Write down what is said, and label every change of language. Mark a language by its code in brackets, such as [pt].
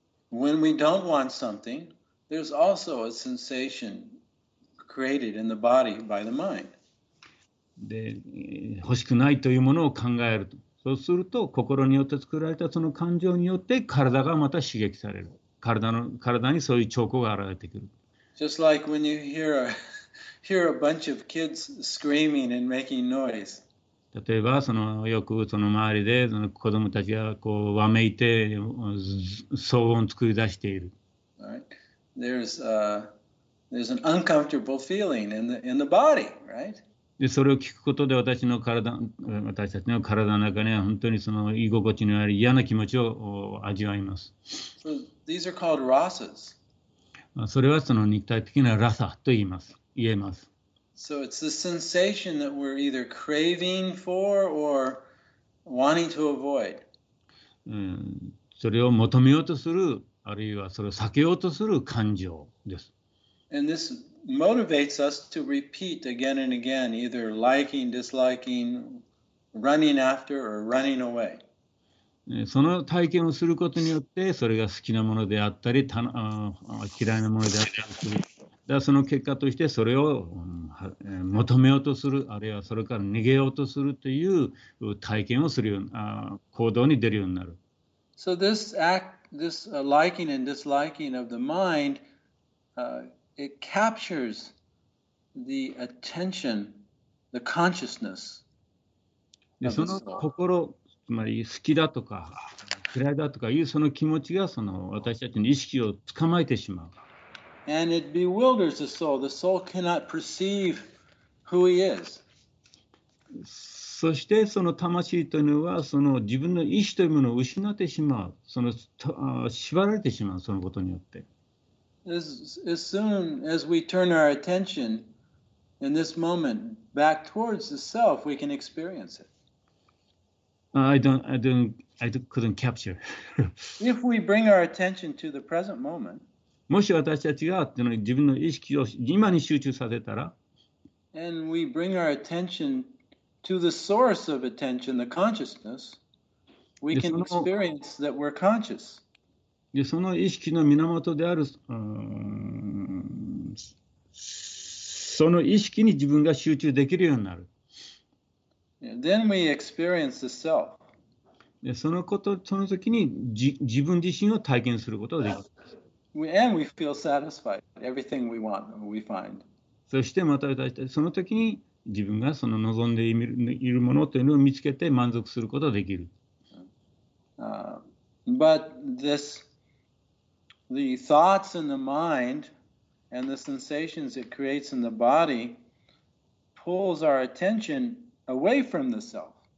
[en] When we don't want something, there's also a sensation created in the body by the mind. [ja] で欲しくないというものを考えると、そうすると心によって作られたその感情によって体がまた刺激される。体にそういう兆候が現れてくる。 [en] Just like when you hear a bunch of kids screaming and making noise. [ja] 例えばそのよくその周りでその子供たちがこうわめいて騒音を作り出している。 [en] Right. There's an uncomfortable feeling in the body, right? [ja] でそれを聞くことで私たちの体の中には本当にその居心地のある嫌な気持ちを味わいます。 [en] So, these are called rasas. [ja] それはその肉体的なラサと言えます。 [en] So it's the sensation that we're either craving for or wanting to avoid. [ja] それを求めようとする、あるいはそれを避けようとする感情です。 [en] And thismotivates us to repeat again and again, either liking, disliking, running after, or running away. [ja] その体験をすることによって、それが好きなものであったり、嫌いなものであったりする。で、その結果として、それを求めようとする、あるいはそれから逃げようとするという体験をするような、行動に出るようになる。 [en] So this act, this liking and disliking of the mind, It captures the attention, the consciousness. [ja] でその心、つまり好きだとか嫌いだとかいうその気持ちがその私たちの意識を捕まえてしまう。 [en] And it bewilders the soul. The soul cannot perceive who he is. [ja] そしてその魂というのはその自分の意志というものを失ってしまう。その縛られてしまう、そのことによって。 [en] As soon as we turn our attention in this moment back towards the self, we can experience it. I couldn't capture. If we bring our attention to the present moment, [ja] もし私たちが自分の意識を今に集中させたら、 [en] and we bring our attention to the source of attention, the consciousness, we can experience that we're conscious. [ja] でその意識の源であるその意識に自分が集中できるようになる。 [en] Then we experience the self. [ja] でそのこと、その時に自分自身を体験することができ [en] る。And we feel satisfied. Everything we want, we find. [ja] そしてまた私たちその時に自分がその望んでいるものというのを見つけて満足することができる。 [en] But thisThe thoughts in the mind and the sensations it creates in the body pulls our attention away from the self.